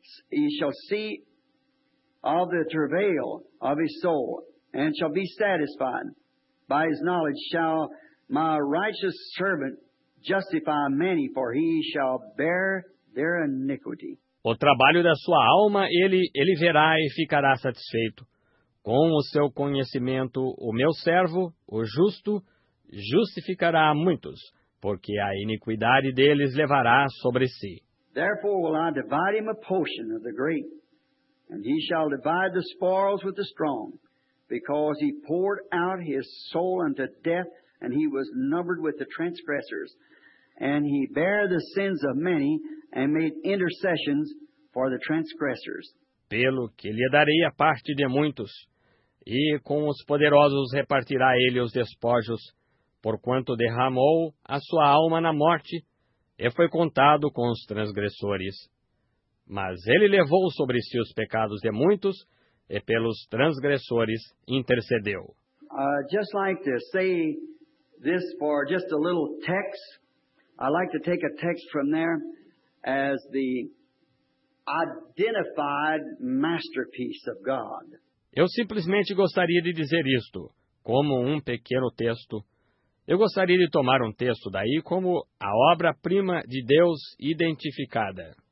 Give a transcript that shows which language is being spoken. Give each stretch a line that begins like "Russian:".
English: He shall see all the travail of his soul, and shall be satisfied. By his knowledge shall my righteous servant justify many, for he shall bear their iniquity.
Portuguese: O trabalho da sua alma ele verá e ficará satisfeito. Com o seu conhecimento, o meu servo, o justo, justificará a muitos, porque a iniquidade deles levará sobre si.
English: Therefore will I divide him a portion of the great, and he shall divide the spoils with the strong, because he poured out his soul unto death, and he was numbered with the transgressors. and he bare the sins of many and made intercessions for the transgressors.
Portuguese: Pelo que lhe darei a parte de muitos, e com os poderosos repartirá ele os despojos, porquanto derramou a sua alma na morte, e foi contado com os transgressores. Mas ele levou sobre si os pecados de muitos, e pelos transgressores intercedeu.
English: Just like to say this for just a little text, I'd like to take a text from there as the identified masterpiece of God.
Portuguese: Eu simplesmente gostaria de dizer isto, como um pequeno texto. Eu gostaria de tomar um texto daí como a obra-prima de Deus identificada.